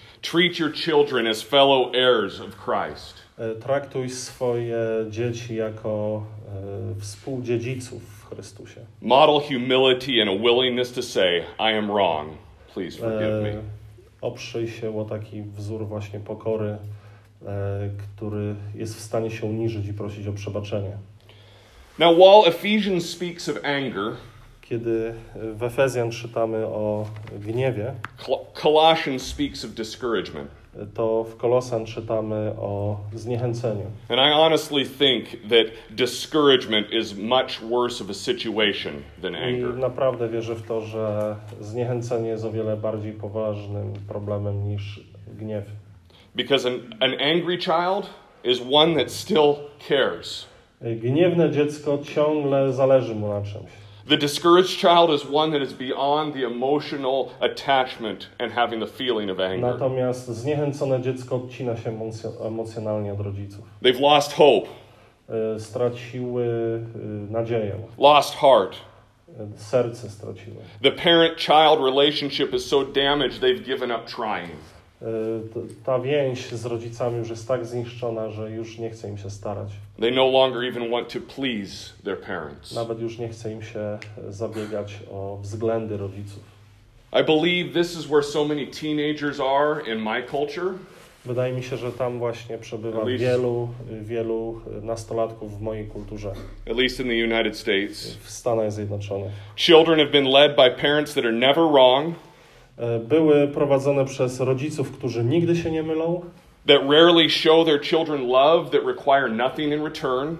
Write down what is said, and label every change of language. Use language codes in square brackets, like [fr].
[en] Treat your children as fellow heirs of Christ. [pl] Traktuj swoje dzieci jako współdziedziców w Chrystusie. [en] Model humility and a willingness to say, I am wrong, please forgive me. [pl] Oprzyj się o taki wzór właśnie pokory, który jest w stanie się uniżyć i prosić o przebaczenie. [en] Now, while Ephesians speaks of anger, [pl] kiedy w Efezjan czytamy o gniewie, [en] Colossians speaks of discouragement. [pl] To w Kolosan czytamy o zniechęceniu. [en] And I honestly think that discouragement is much worse of a situation than anger. [pl] I naprawdę wierzę w to, że zniechęcenie jest o wiele bardziej poważnym problemem niż gniew. [en] Because an angry child is one that still cares. [pl] Gniewne dziecko ciągle zależy mu na czymś. [en] The discouraged child is one that is beyond the emotional attachment and having the feeling of anger. [pl] Natomiast zniechęcone dziecko odcina się emocjonalnie od rodziców. [en] They've lost hope. [pl] Straciły nadzieję. [en] Lost heart. [pl] Serce straciły. [en] The parent-child relationship is so damaged they've given up trying. [pl] Ta więź z rodzicami już jest tak zniszczona, że już nie chce im się starać. [en] They no longer even want to please their parents. [pl] Nawet już nie chce im się zabiegać o względy rodziców. [en] I believe this is where so many teenagers are in my culture. [pl] Wydaje mi się, że tam właśnie przebywa wielu nastolatków w mojej kulturze. [en] At least in the United States. [pl] W Stanach Zjednoczonych. [en] Children have been led by parents that are never wrong. [pl] Były prowadzone przez rodziców, którzy nigdy się nie mylą. [en] That rarely show their children love that require nothing in return.